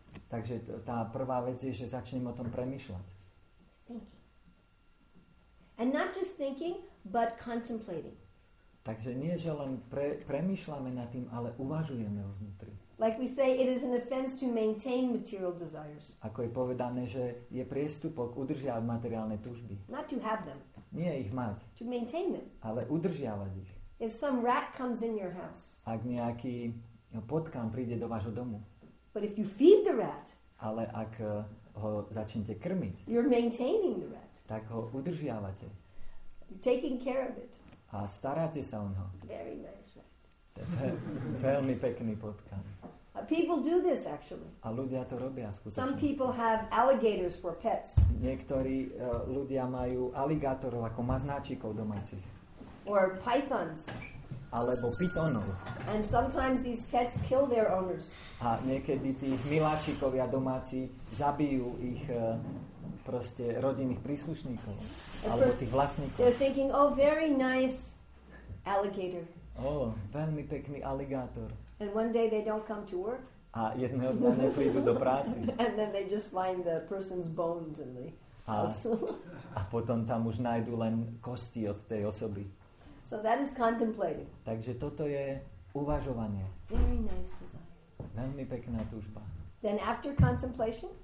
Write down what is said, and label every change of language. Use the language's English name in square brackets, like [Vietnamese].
[Slovak] Takže tá prvá vec je, že začnem o tom premýšľať. [English] And not just thinking, but contemplating. [Slovak] Takže nie, že len premýšľame nad tým, ale uvažujeme o vnútri. [English] Like we say, it is an offense to maintain material desires. [Slovak] Ako je povedané, že je priestupok udržiavať materiálne túžby. [English] Not to have them. [Slovak] Nie ich mať. [English] To maintain them. [Slovak] Ale udržiavať ich. [English] If some rat comes in your house. [Slovak] Ak nejaký potkan príde do vášho domu. [English] But if you feed the rat. [Slovak] Ale ak ho začnete krmiť, [English] you're maintaining the rat. [Slovak] Tak ho udržiavate. [English] You're taking care of it. [Slovak] A staráte sa o ňo. [English] Very nice rat. [Slovak] To je veľmi pekný potkan. [English] People do this actually. [Slovak] A ľudia to robia skutočne. [English] Some people have alligators for pets. [Slovak] Niektorí ľudia majú aligátorov ako maznáčikov domácich. [English] Or pythons. [Slovak] Alebo pitónov. [English] And sometimes these pets kill their owners. [Slovak] A niekedy tých miláčikovia domáci zabijú ich proste rodinných príslušníkov alebo tých vlastníkov. [English] They're thinking, oh, very nice alligator. [Slovak] Oh, veľmi pekný aligátor. [English] And one day they don't come to work. [Slovak] A jedného dňa neprídu do práce. [English] And then they just find the person's bones in the house. [Slovak] A potom tam už nájdu len kosti od tej osoby. [English] So that is contemplating. [Slovak] Takže toto je uvažovanie. [English] Very nice design. [Slovak] Veľmi pekná túžba. [English] Then after contemplation?